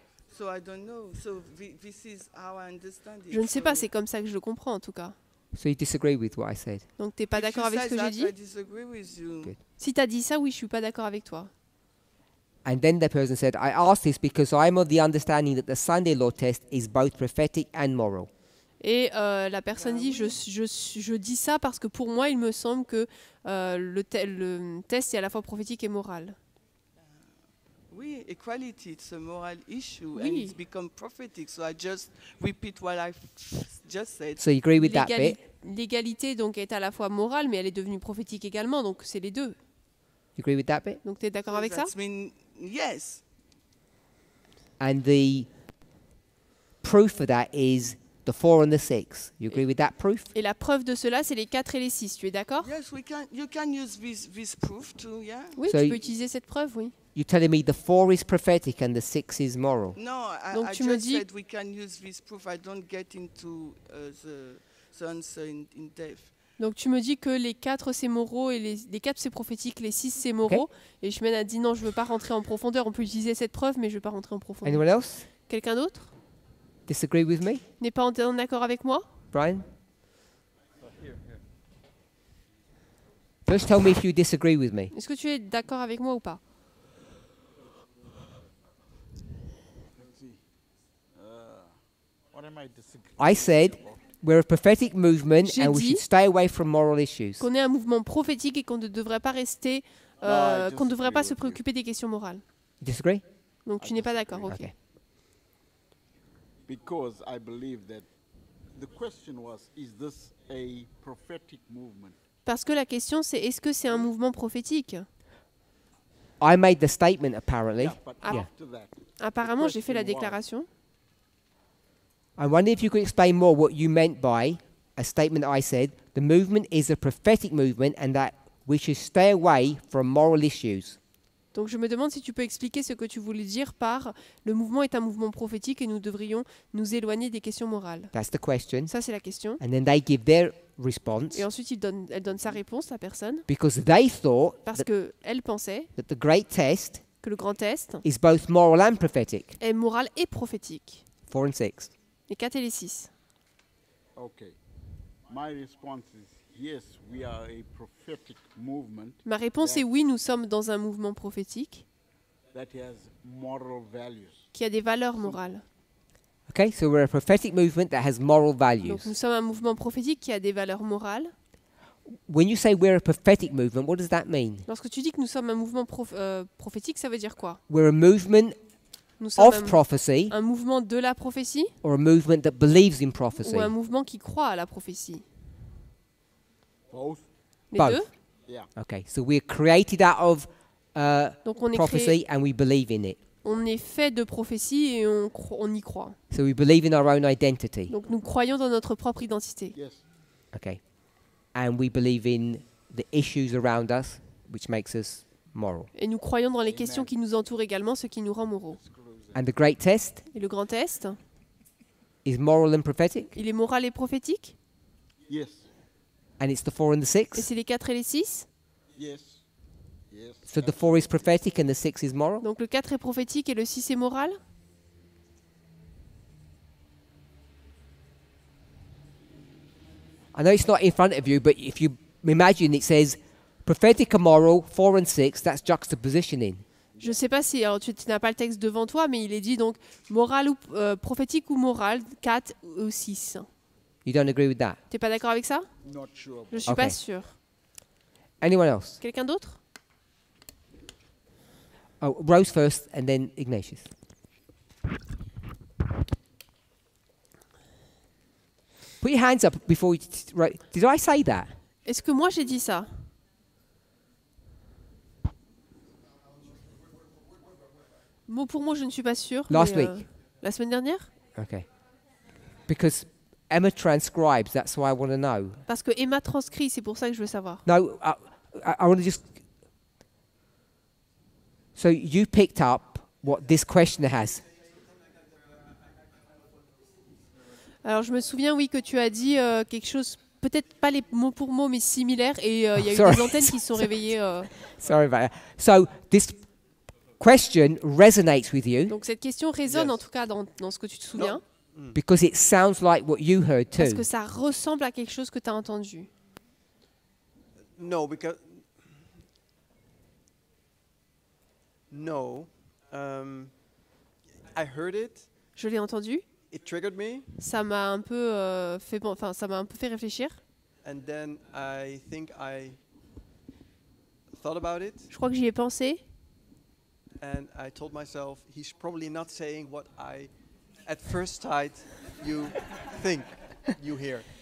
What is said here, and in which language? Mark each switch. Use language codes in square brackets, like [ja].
[en] So I don't know. So this is how I understand it. [fr] Je ne sais pas, c'est comme ça que je le comprends en tout cas. [en] So you disagree with what I said. [fr] Donc tu n'es pas d'accord avec ce que j'ai dit. Si tu as dit ça, oui, je ne suis pas d'accord avec toi. [en] And then the person said, I ask this because I'm of the understanding that the Sunday law test is both prophetic and moral. [fr] Et la personne dit, je dis ça parce que pour moi, il me semble que le test est à la fois prophétique et moral. [en] Oui, equality, it's a moral issue, oui. And it's become prophetic. So I just repeat what I just said. So you agree with that bit? [fr] L'égalité donc est à la fois morale, mais elle est devenue prophétique également. Donc c'est les deux. [en] You agree with that bit? [fr] Donc t'es d'accord avec ça? [en] Mean, yes. And the proof of that is the 4 and the 6. You agree with that proof? [fr] Et la preuve de cela, c'est les 4 et les 6. Tu es d'accord? [en] Yes, we can. You can use this proof too. Yeah. [fr] Oui, so tu peux utiliser cette preuve, oui. [en] You're telling me the 4 is prophetic and the 6 is moral. No, donc I tu just said we can use this proof. I don't get into the answer in depth. [fr] Donc tu me dis que les 4 c'est moraux et les 4 c'est prophétique, les 6 c'est moraux. Okay. Et Shemaine a dit non, je veux pas rentrer en profondeur. On peut utiliser cette preuve, mais je veux pas rentrer en profondeur. [en] Anyone else? [fr] Quelqu'un d'autre? [en] Disagree with me? [fr] N'est pas en accord avec moi? [en] Brian? First tell me if you disagree with me. [fr] Est-ce que tu es d'accord avec moi ou pas? [en] I said we're a prophetic movement and we should stay away from moral issues. [fr] Qu'on est un mouvement prophétique et qu'on ne devrait pas rester qu'on devrait pas se préoccuper des questions morales. [en] Disagree? [fr] Donc tu n'es pas d'accord, okay. [en] Because I believe that the question was is this a prophetic movement? [fr] Parce que la question c'est est-ce que c'est un mouvement prophétique? [en] I made the statement apparently. [fr] Apparemment, j'ai fait la déclaration. [en] I wonder if you could explain more what you meant by a statement I said, the movement is a prophetic movement and that we should stay away from moral issues. [fr] Donc je me demande si tu peux expliquer ce que tu voulais dire par le mouvement est un mouvement prophétique et nous devrions nous éloigner des questions morales. [en] That's the question. [fr] Ça c'est la question. [en] And then they give their response. [fr] Et ensuite elle donne sa réponse, la personne. [en] Because they thought [fr] parce que elle pensait [en] that the great test [fr] que le grand test [en] is both moral and prophetic. [fr] Est moral et prophétique. [en] 4 and 6. [fr] Les 4 et les 6. [en] Okay. My response is yes, we are a prophetic movement. [fr] Ma réponse est oui, nous sommes dans un mouvement prophétique. [en] That has moral values. [fr] Qui a des valeurs morales. [en] Okay, so we're a prophetic movement that has moral values. [fr] Donc nous sommes un mouvement prophétique qui a des valeurs morales. [en] When you say we're a prophetic movement, what does that mean? [fr] Lorsque tu dis que nous sommes un mouvement prophétique, ça veut dire quoi? [en] We're a movement of prophecy, [fr] un mouvement de la prophétie, [en] or a movement that believes in prophecy, [fr] ou un mouvement qui croit à la prophétie. [en] Both. [fr] Les both. Deux. [en] Yeah. Okay. So we're created out of prophecy, and we believe in it. [fr] On est fait de prophétie et on y croit. [en] So we believe in our own identity. [fr] Donc nous croyons dans notre propre identité. [en] Yes. Okay. And we believe in the issues around us, which makes us moral. [fr] Et nous croyons dans les Amen. Questions qui nous entourent également, ce qui nous rend moraux. [en] And the great test? [fr] Et le grand test? [en] Is moral and prophetic? [fr] Il est moral et prophétique? [en] Yes. And it's the 4 and the 6? [fr] Et c'est les 4 et les 6? [en] Yes. Yes. So the 4 is prophetic and the 6 is moral? [fr] Donc le 4 est prophétique et le 6 est moral? [en] I know it's not in front of you, but if you imagine it says prophetic and moral, 4 and 6, that's juxtapositioning. [fr] Je ne sais pas si alors tu n'as pas le texte devant toi, mais il est dit donc moral ou prophétique ou moral 4 ou 6. [en] You don't agree with that? [fr] Tu n'es pas d'accord avec ça? [en] Not sure. [fr] Je ne suis pas sûr. [en] Anyone else? [fr] Quelqu'un d'autre? [en] Oh, Rose first and then Ignatius. Put your hands up before you. Did I say that? [fr] Est-ce que moi j'ai dit ça? Mot pour mot, je ne suis pas sûre. [en] Last week. [fr] La semaine dernière. [en] Okay. Because Emma transcribes, that's why I want to know. [fr] Parce que Emma transcrit, c'est pour ça que je veux savoir. [en] No, I want to just. So you picked up what this questioner has. [fr] Alors je me souviens, oui, que tu as dit quelque chose, peut-être pas les mot pour mot, mais similaire, et il y a eu des antennes qui se sont réveillées. [en] Sorry about that. So this question resonates with you. [fr] Donc cette question résonne, yes. En tout cas dans ce que tu te souviens. [en] No, Because it sounds like what you heard too. [fr] Parce que ça ressemble à quelque chose que tu as entendu. [en] No, because no, I heard it. [fr] Je l'ai entendu. [en] It triggered me. [fr] Ça m'a un peu fait, enfin, ça m'a un peu fait réfléchir. [en] And then I think I thought about it. [fr] Je crois que j'y ai pensé. [en] And I told myself, he's probably not saying what I, at first sight, you think you hear.